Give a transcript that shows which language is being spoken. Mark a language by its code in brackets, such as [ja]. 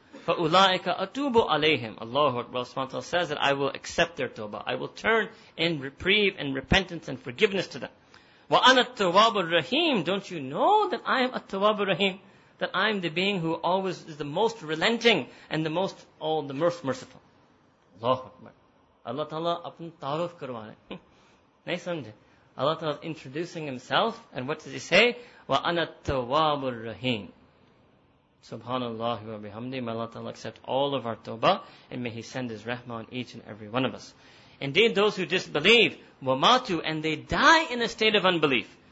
[ar] فَأُولَٰئِكَ أَتُوبُ عَلَيْهِمْ [en] Allah subhanahu says that I will accept their tawbah. I will turn in reprieve and repentance and forgiveness to them. [ar] وَأَنَا التَّوَّابُ الرَّحِيمُ [en] Don't you know that I am التَّوَّابُ الرَّحِيمُ That I am the being who always is the most relenting and the most all the most merciful. Allah Akbar. [ur] اللہ تعالیٰ اپنا تعارف کروا رہے۔ نہیں سمجھے۔ [en] Allah Ta'ala is introducing himself and what does he say? [ar] وَأَنَا التَّوَّابُ الرَّحِيمُ [en] Subhanallah wa bihamdi. May Allah Ta'ala accept all of our tawbah and may he send his rahmah on each and every one of us. Indeed, those who disbelieve, wamatu, and they die in a state of unbelief.